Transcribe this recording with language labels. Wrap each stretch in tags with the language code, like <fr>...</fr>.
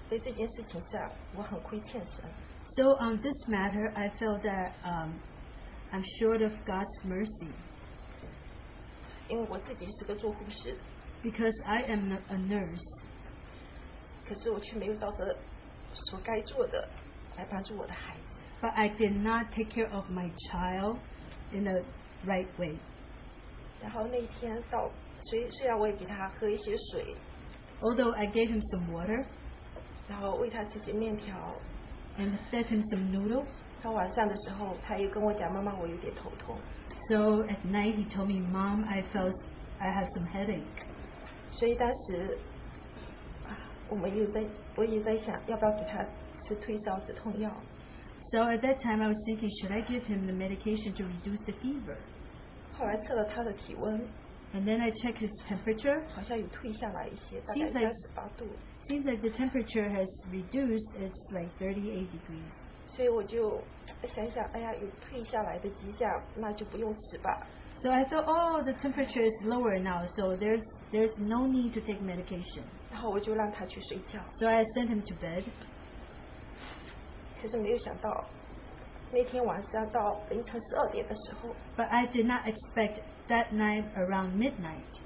<zh>所以我觉得对这件事情上我很亏欠神。</zh> <en>So on this matter, I felt that I'm short of God's mercy.</en> <zh>因为我自己是个做护士。</zh> <en>Because I am a nurse.</en> <zh>可是我却没有照着所该做的来帮助我的孩子。</zh> <en>But I did not take care of my child in a right way.</en> <zh>然后那天到，虽然我也给他喝一些水。</zh> <en>Although I gave him some water,</en> <zh>然后喂他吃些面条,</zh> <en>and fed him some noodles,</en> <zh>到晚上的时候, 他又跟我讲, 妈妈, 我有点头痛。</zh> <en>So at night he told me, Mom, I felt I have some headache.</en> <zh>所以当时, 我也在想, 要不要给他吃退烧止痛药。</zh> <en>So at that time I was thinking, should I give him the medication to reduce the fever?</en> <zh>后来测了他的体温,</zh> <en>and then I check his temperature.</en> <zh>好像有退下来一些,</zh> <en>seems like the temperature has reduced. It's like 38 degrees.</en> <zh>所以我就想想, 哎呀, 有退下来的迹象, 那就不用吃吧。</zh> <en>So I thought, oh, the temperature is lower now, so there's no need to take medication.</en> <zh>然后我就让他去睡觉。</zh> <en>So I sent him to bed.</en> <zh>可是没有想到, 那天晚上到凌晨12点的时候,</zh> <en>but I did not expect that night around midnight.</en>